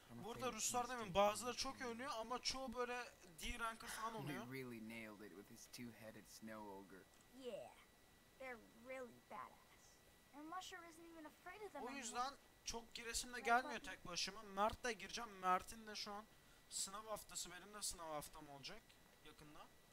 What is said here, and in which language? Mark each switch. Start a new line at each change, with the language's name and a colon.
Turkish: Bu arada Ruslar demin bazıları çok oynuyor ama çoğu böyle D-Rank'ı falan oluyor.
English: We really nailed it with his two-headed snow ogre. Yeah, they're really badass. And Musher isn't even afraid of them.
Turkish: O yüzden çok giresim de gelmiyor tek başıma. Mert'le gireceğim. Mert'in de şu an sınav haftası, benim de sınav haftam olacak yakında.